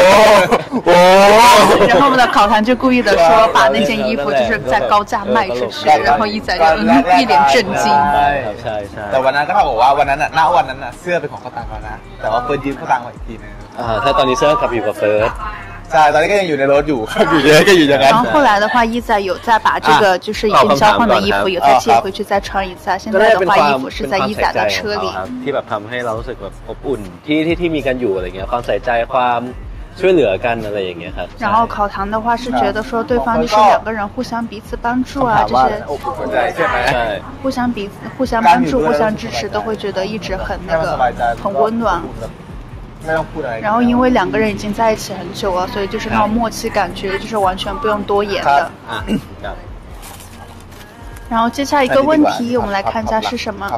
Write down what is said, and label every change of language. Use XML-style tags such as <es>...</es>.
<zh>然后我们的考堂就故意的说把那件衣服就是在高价卖出去然后一仔就一脸震惊</zh> <th>ใช่ แต่วันนั้นก็เขาบอกว่าวันนั้นเสื้อเป็นของข้าวตังค์นะแต่ว่าเฟิร์สยืมข้าวตังค์ไว้อีกทีนึง ถ้าตอนนี้เสื้อกลับอยู่กับเฟิร์ส ใช่ตอนนี้ก็ยังอยู่ในรถอยู่อยู่อย่างนั้น</th> <zh>แล้ว后来的话一仔有再把这个就是已经交换的衣服有再借回去再穿一次现在的话衣服是在一仔的车里</zh> <th>ที่แบบทำให้เรารู้สึกแบบอบอุ่นที่มีกันอยู่อะไรเงี้ยความใส่ใจความช่วยเหลือกันอะไรอย่างเงี้ยครับ</th> <zh>แล้ว考堂的话是觉得说对方就是两个人互相彼此帮助啊这些互相帮助互相支持都会觉得一直很那个很温暖然后因为两个人已经在一起很久了所以就是那种默契感觉就是完全不用多言的然后接下一个问题我们来看一下是什</zh>